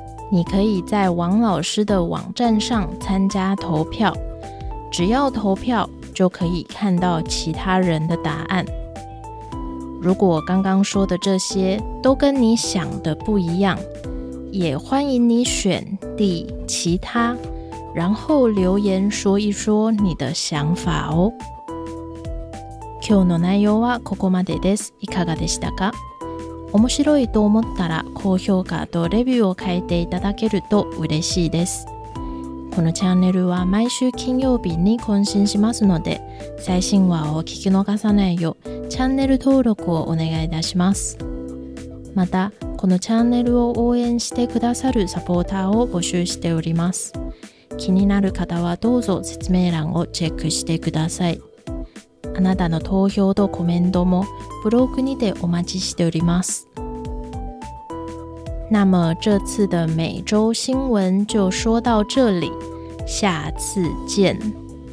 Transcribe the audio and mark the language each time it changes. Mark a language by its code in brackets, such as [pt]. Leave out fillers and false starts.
[zh] 你可以在王老师的网站上参加投票，只要投票就可以看到其他人的答案。如果刚刚说的这些都跟你想的不一样，也欢迎你选 D 其他，然后留言说一说你的想法哦。 [ja] 今日の内容はここまでです。いかがでしたか？面白いと思ったら高評価とレビューを書いていただけると嬉しいです。このチャンネルは毎週金曜日に更新しますので、最新話を聞き逃さないようチャンネル登録をお願いいたします。またこのチャンネルを応援してくださるサポーターを募集しております。気になる方はどうぞ説明欄をチェックしてください。あなたの投票とコメントもブログにてお待ちしております。 [zh] 那么这次的每周新闻就说到这里，下次见。